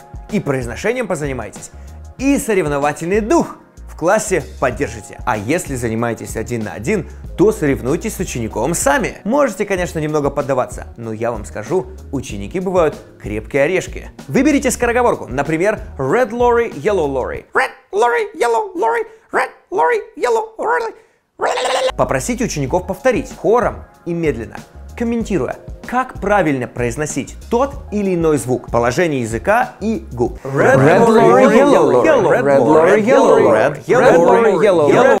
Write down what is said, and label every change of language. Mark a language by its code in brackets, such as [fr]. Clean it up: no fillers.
[ru] И произношением позанимаетесь. И соревновательный дух в классе поддержите. А если занимаетесь один на один, то соревнуйтесь с учеником сами. Можете, конечно, немного поддаваться, но я вам скажу, ученики бывают крепкие орешки. Выберите скороговорку, например, [en] Red Lorry, Yellow Lorry. Red Lorry, Yellow Lorry, Red Lorry, Yellow Lorry. [ru] Попросите учеников повторить хором и медленно, комментируя, как правильно произносить тот или иной звук, положение языка и губ. [en] Red Lorry, Yellow Lorry, Red Lorry, Yellow Lorry, Red Lorry, Yellow Lorry.